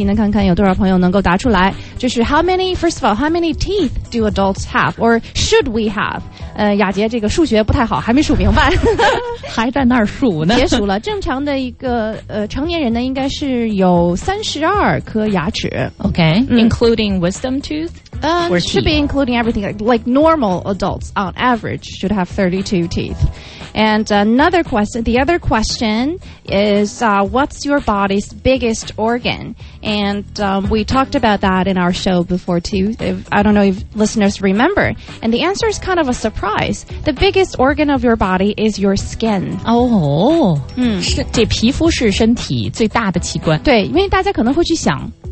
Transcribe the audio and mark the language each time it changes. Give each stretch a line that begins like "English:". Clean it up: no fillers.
Chinese: 对，大家这还是非常熟悉咱们身体各个零件的英文单词嘛，非常不错。那么刚才另外两个问题呢，看看有多少朋友能够答出来，就是
English: first of all, how many teeth do adults have, or should we have?
Chinese: 雅洁这个数学不太好，还没数明白，还在那儿数呢，别数了。正常的一个成年人呢，应该是有32颗牙齿
English: Okay, including wisdom tooth. Should be including everything. Like normal adults on average should have 32 teeth. And another question, the other question is, what's your body's biggest organ? And we talked about that in our show before too. I don't know if listeners remember. And the answer is kind of a surprise. The biggest organ of your body is your skin.
Chinese: Oh, 这皮肤是身体最大的器官。对，因为大家可能会去想。